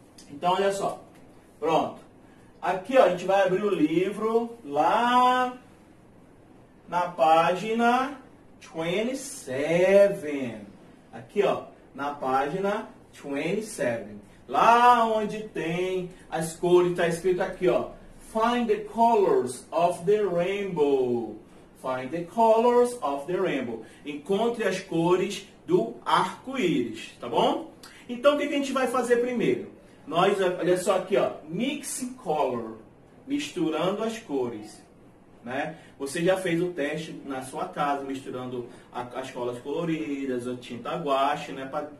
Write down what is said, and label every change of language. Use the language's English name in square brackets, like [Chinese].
[Portuguese] Então olha só, pronto, aqui ó, a gente vai abrir o livro lá na página 27, aqui ó, na página 27, lá onde tem as cores, tá escrito aqui ó, [English] find the colors of the rainbow. Find the colors of the rainbow. [Portuguese] Encontre as cores do arco-íris, tá bom? Então, o que a gente vai fazer primeiro? Nós, olha só aqui, ó, [English] mixing color, [Portuguese] misturando as cores, né? Você já fez o teste na sua casa, misturando as colas coloridas, a tinta guache, né?